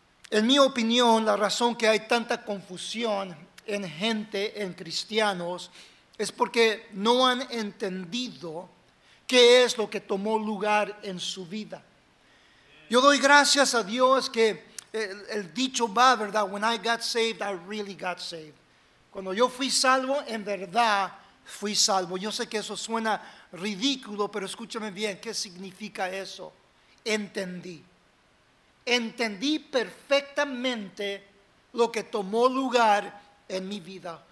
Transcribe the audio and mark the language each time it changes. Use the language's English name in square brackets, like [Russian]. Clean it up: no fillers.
[Spanish] En mi opinión, la razón que hay tanta confusión en gente, en cristianos, es porque no han entendido qué es lo que tomó lugar en su vida. Yo doy gracias a Dios que el dicho va, ¿verdad? [English] When I got saved, I really got saved. [Spanish] Cuando yo fui salvo, en verdad fui salvo. Yo sé que eso suena ridículo, pero escúchame bien, ¿qué significa eso? Entendí. Entendí perfectamente lo que tomó lugar en mi vida.